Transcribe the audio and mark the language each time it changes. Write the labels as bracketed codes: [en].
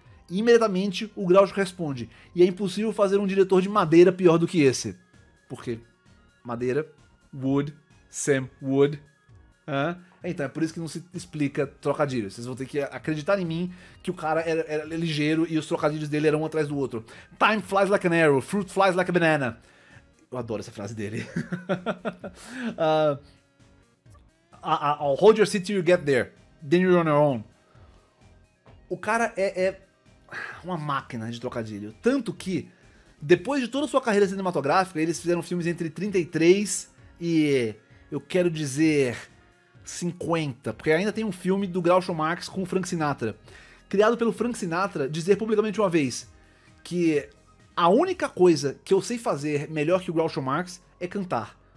[pt] E imediatamente o Grouch responde: e é impossível fazer um diretor de madeira pior do que esse. Porque madeira, Wood, Sam Wood. Hã? Então é por isso que não se explica trocadilhos. Vocês vão ter que acreditar em mim que o cara era ligeiro e os trocadilhos dele eram um atrás do outro. [en] Time flies like an arrow, fruit flies like a banana. [pt] Eu adoro essa frase dele. [en] I'll hold your seat till you get there. Then you're on your own. [pt] O cara é uma máquina de trocadilho. Tanto que, depois de toda a sua carreira cinematográfica, eles fizeram filmes entre 33 e, eu quero dizer, 50. Porque ainda tem um filme do Groucho Marx com o Frank Sinatra. Criado pelo Frank Sinatra, dizer publicamente uma vez que a única coisa que eu sei fazer melhor que o Groucho Marx é cantar.